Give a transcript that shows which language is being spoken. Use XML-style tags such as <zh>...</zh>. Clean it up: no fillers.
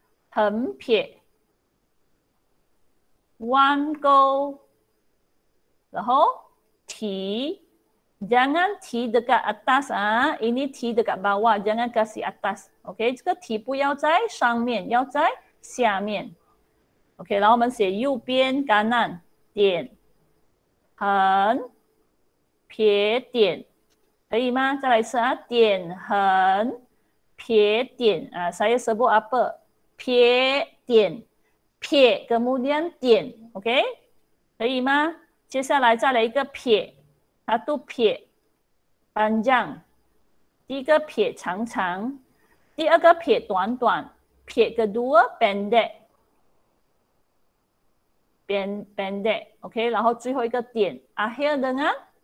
<zh>横撇，弯钩，然后提，</zh> <ms>jangan 提 dekat atas 啊，ini 提 dekat bawah jangan kasih atas，OK？</ms> <zh>这个提不要在上面，要在下面，OK？然后我们写右边、橄榄点、横撇点。可以吗？再来一次啊！点横撇点啊，</zh> <ms>saya sebut apa？</ms> <zh>撇点撇，kemudian 点，OK？ 可以吗？接下来再来一个撇，它都撇，panjang。第一个撇长长，第二个撇短短，撇</zh> <ms>kedua pendek，pendek，</ms> <zh>OK？然后最后一个点，</zh> <ms>akhir dengan</ms>